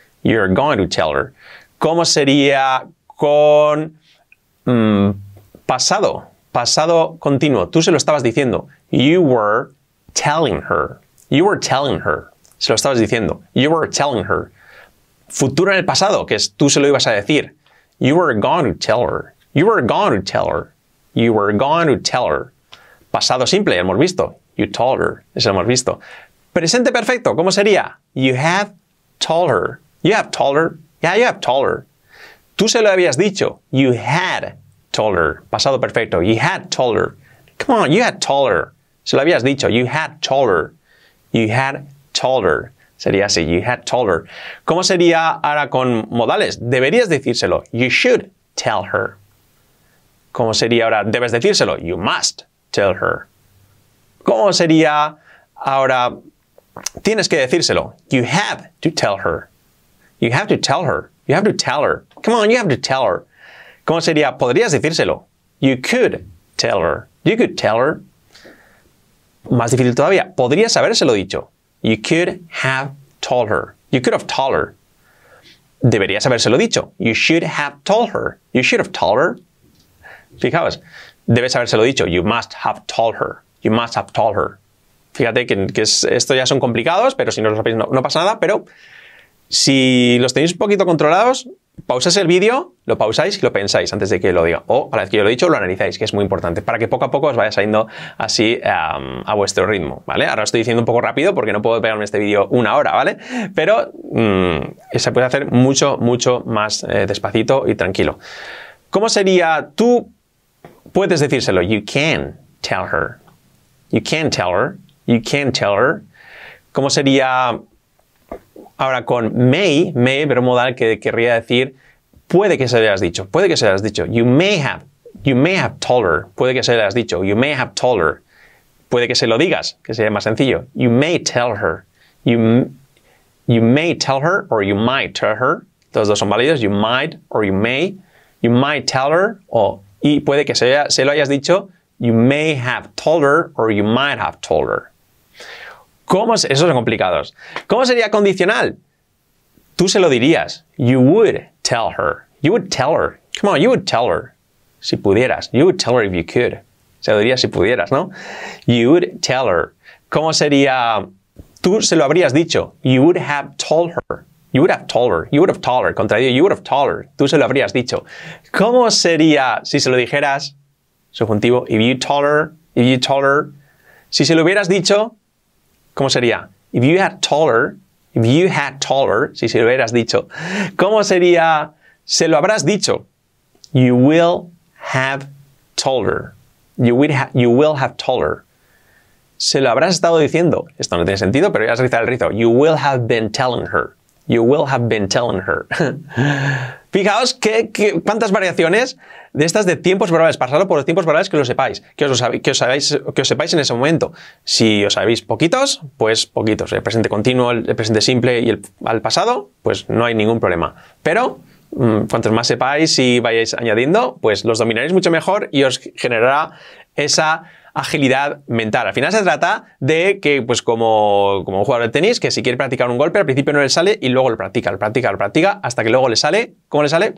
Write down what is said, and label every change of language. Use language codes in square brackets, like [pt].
[en] You're going to tell her. [es] ¿Cómo sería con pasado? Pasado continuo. Tú se lo estabas diciendo. [en] You were telling her. You were telling her. [es] Se lo estabas diciendo. [en] You were telling her. [es] Futuro en el pasado, que es tú se lo ibas a decir. [en] You were going to tell her. You were going to tell her. You were going to tell her. [es] Pasado simple, hemos visto. [en] You told her. [es] Eso hemos visto. Presente perfecto, ¿cómo sería? [en] You have told her. You have told her. Yeah, you have told her. [es] Tú se lo habías dicho. [en] You had told her. [es] Pasado perfecto. [en] You had told her. Come on, you had told her. [es] Se lo habías dicho. [en] You had told her. You had told her. [es] Sería así. [en] You had told her. [es] ¿Cómo sería ahora con modales? Deberías decírselo. [en] You should tell her. [es] ¿Cómo sería ahora? Debes decírselo. [en] You must tell her. [es] ¿Cómo sería ahora? Tienes que decírselo. [en] You have to tell her. You have to tell her. You have to tell her. Come on, you have to tell her. [es] ¿Cómo sería? Podrías decírselo. [en] You could tell her. You could tell her. [es] Más difícil todavía. Podrías habérselo dicho. [en] You could have told her. You could have told her. [es] Deberías habérselo dicho. [en] You should have told her. You should have told her. [es] Fijaos, debes habérselo dicho. [en] You must have told her. You must have told her. [es] Fíjate que esto ya son complicados, pero si no lo sabéis no pasa nada. Pero si los tenéis un poquito controlados, pausas el vídeo, lo pausáis y lo pensáis antes de que lo diga. O, para la vez que yo lo he dicho, lo analizáis, que es muy importante, para que poco a poco os vaya saliendo así a vuestro ritmo, ¿vale? Ahora lo estoy diciendo un poco rápido porque no puedo pegarme este vídeo una hora, ¿vale? Pero se puede hacer mucho, mucho más despacito y tranquilo. ¿Cómo sería? Tú puedes decírselo. [en] You can tell her. You can tell her. You can tell her. [es] ¿Cómo sería ahora con may? May, verbo modal, que querría decir puede que se le has dicho. Puede que se le has dicho. [en] You may have told her. [es] Puede que se le has dicho. [en] You may have told her. [es] Puede que se lo digas, que sería más sencillo. [en] You may tell her. You may tell her or you might tell her. [es] Todos dos son válidos. [en] You might or you may. You might tell her or [es] y puede que se lo hayas dicho. [en] You may have told her or you might have told her. [es] Esos son complicados. ¿Cómo sería condicional? [en] Tú se lo dirías. You would tell her. You would tell her. Come on, you would tell her. [es] Si pudieras. [en] You would tell her if you could. [es] Se lo dirías si pudieras, ¿no? [en] You would tell her. [es] ¿Cómo sería? Tú se lo habrías dicho. [en] You would have told her. You would have told her. You would have told her. Contraído, you would have told her. [es] Tú se lo habrías dicho. ¿Cómo sería si se lo dijeras? Subjuntivo. [en] If you told her. If you told her. [es] Si se lo hubieras dicho. ¿Cómo sería? [en] If you had told her, if you had told her, [es] si se lo hubieras dicho. ¿Cómo sería? Se lo habrás dicho. [en] You will have told her. You will have told her. [es] Se lo habrás estado diciendo. Esto no tiene sentido, pero ya has rizado el rizo. [en] You will have been telling her. You will have been telling her. [es] Fijaos cuántas variaciones de estas de tiempos verbales. Pasadlo por los tiempos verbales que lo sepáis. Que os sepáis en ese momento. Si os sabéis poquitos, pues poquitos. El presente continuo, el presente simple y al pasado, pues no hay ningún problema. Pero cuantos más sepáis y vayáis añadiendo, pues los dominaréis mucho mejor y os generará esa agilidad mental. Al final se trata de que, pues como un jugador de tenis, que si quiere practicar un golpe, al principio no le sale y luego lo practica, hasta que luego le sale. ¿Cómo le sale?